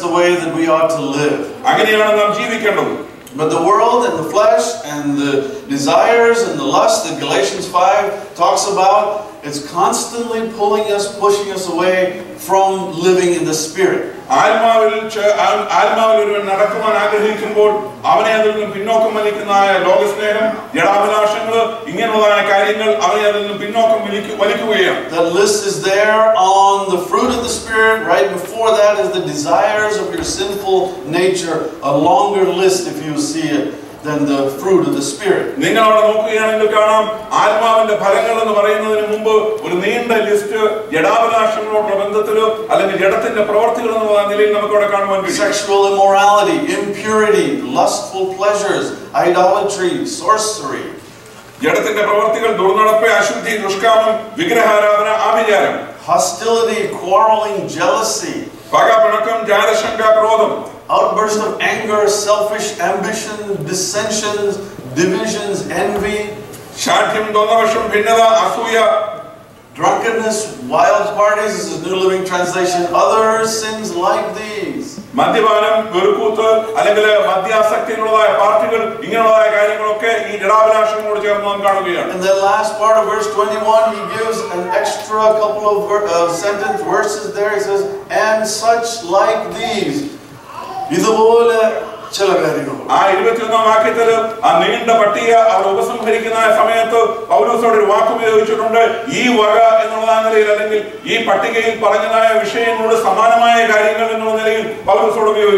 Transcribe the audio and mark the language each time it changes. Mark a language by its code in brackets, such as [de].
[en] the way that we ought to live. But the world and the flesh and the desires and the lust that Galatians 5 talks about is constantly pulling us, pushing us away from living in the Spirit. [ml] ആത്മാവിൽ ഒരുവൻ നടക്കുവാൻ ആഗ്രഹിക്കുമ്പോൾ അവനെ അതിൽ നിന്ന് പിന്നോക്കം വലിക്കുന്നതായ ലോകസ്നേഹം ജഡാഭിലാഷങ്ങള് ഇങ്ങനെയുള്ള കാര്യങ്ങൾ അവനെ അതിൽ നിന്ന് പിന്നോക്കം വലിക്കുകയാണ്. [en] The list is there on the fruit of the Spirit. Right before that is the desires of your sinful nature, a longer list if you see it than the fruit of the Spirit. [ml] നിങ്ങൾ അവിടെ നോക്കുകയാണെങ്കിൽ കാണാം ആത്മാവിന്റെ ഫലങ്ങൾ എന്ന് പറയുന്നതിന് മുമ്പ് ഒരു നീണ്ട ലിസ്റ്റ് ജഡാഭിലാഷങ്ങളോടുള്ള ബന്ധത്തിലോ അല്ലെങ്കിൽ ജഡത്തിന്റെ പ്രവർത്തികൾ എന്നുള്ള നിലയിൽ നമുക്ക് അവിടെ കാണുവാൻ കഴിയും. [en] Sexual immorality, impurity, lustful pleasures, idolatry, sorcery. [ml] ജഡത്തിന്റെ പ്രവർത്തികൾ, ദുർനടപ്പ്, അശുദ്ധി, ദുഷ്കാമം, വിഗ്രഹാരാധന, ആഭിചാരം. [en] Hostility, quarreling, jealousy. [ml] പകപിണക്കം, ജാരശങ്ക, ക്രോധം. [en] Outbursts of anger, selfish ambition, dissensions, divisions, envy, [ml] shatyam, donavasham, bhinnada, asuya, [en] drunkenness, wild parties, this is New Living Translation, other sins like these. [ml] മദ്യപാനം, വെറുപ്പൂത്ത്, അല്ലെങ്കിൽ മദ്യാസക്തിയുള്ളതായ പാർട്ടികൾ, ഇങ്ങനെയുള്ള കാര്യങ്ങളൊക്കെ ഈ ജഡാഭിലാഷങ്ങളോട് ചേർന്ന് നാം കാണുകയാണ്. [en] In the last part of verse 21, he gives an extra couple of sentence verses there. He says, and such like these. [ml] ഇതുപോലെ ചില കാര്യങ്ങൾ ആ 21 വാക്യത്തിൽ ആ നീണ്ട പട്ടിക അവർ ഉപസംഹരിക്കുന്ന സമയത്ത് പൗലോസോട് ഒരു വാക്കുപയോഗിച്ചിട്ടുണ്ട്. ഈ വക എന്നുള്ള നിലയിൽ അല്ലെങ്കിൽ ഈ പട്ടികയിൽ പറഞ്ഞതായ വിഷയങ്ങളോട് സമാനമായ കാര്യങ്ങൾ എന്നുള്ള നിലയിൽ പൗലോസോട്